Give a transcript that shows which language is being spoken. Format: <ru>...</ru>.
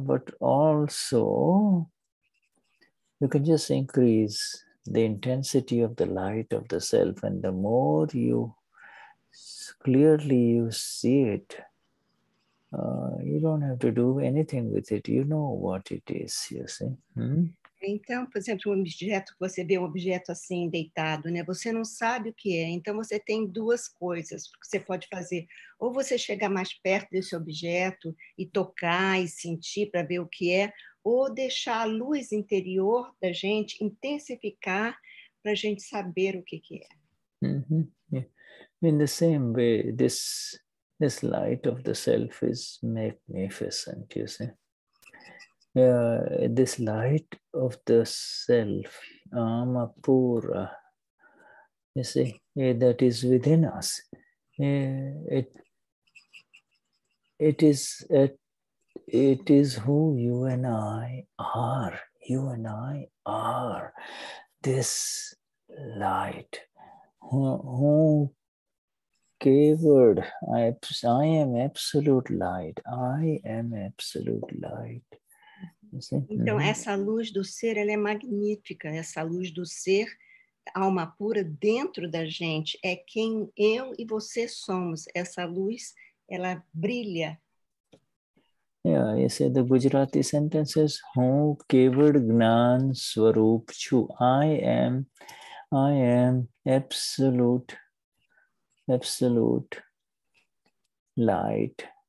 <en>But also, you can just increase the intensity of the light of the self. And the more you clearly you see it, you don't have to do anything with it. You know what it is, you see.</en> <pt>Então, por exemplo, um objeto, você vê um objeto assim, deitado, né? Você não sabe o que é. Então, você tem duas coisas que você pode fazer. Ou você chegar mais perto desse objeto e tocar e sentir para ver o que é, ou deixar a luz interior da gente intensificar para a gente saber o que, que é. Uh-huh.</pt> <en>Yeah. In the same way, this light of the self is magnificent, you see. This light of the self, ama pura, you see, that is within us. It is who you and I are. You and I are this light. Who gavered? I am absolute light. I am absolute light.</en> <pt>Então, essa luz do ser, ela é magnífica, essa luz do ser, alma pura, dentro da gente, é quem eu e você somos, essa luz, ela brilha.</pt> <en>Yeah, you see, the Gujarati sentence is,</en> <gu>Ho kevad gnan swarup chu,</gu> <en>I am absolute light.</en>